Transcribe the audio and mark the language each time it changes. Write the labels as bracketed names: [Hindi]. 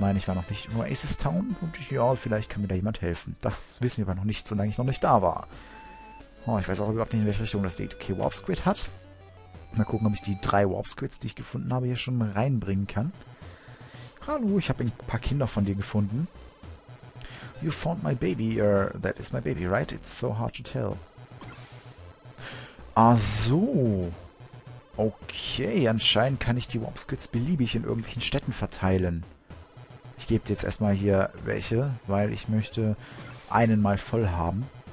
[German] Nein, ich war noch nicht in Oasis Town. Und ja, vielleicht kann mir da jemand helfen. Das wissen wir aber noch nicht, solange ich noch nicht da war. Oh, ich weiß auch überhaupt nicht, in welche Richtung das geht. Okay, Warp Squid hat. Mal gucken, ob ich die 3 Warp Squids, die ich gefunden habe, hier schon reinbringen kann. Hallo, ich habe ein paar Kinder von dir gefunden. [English] You found my baby, that is my baby, right? It's so hard to tell. [German] Ach so. Okay, anscheinend kann ich die Warp Squids beliebig in irgendwelchen Städten verteilen. Ich gebe dir jetzt erstmal hier welche, weil ich möchte einen mal voll haben.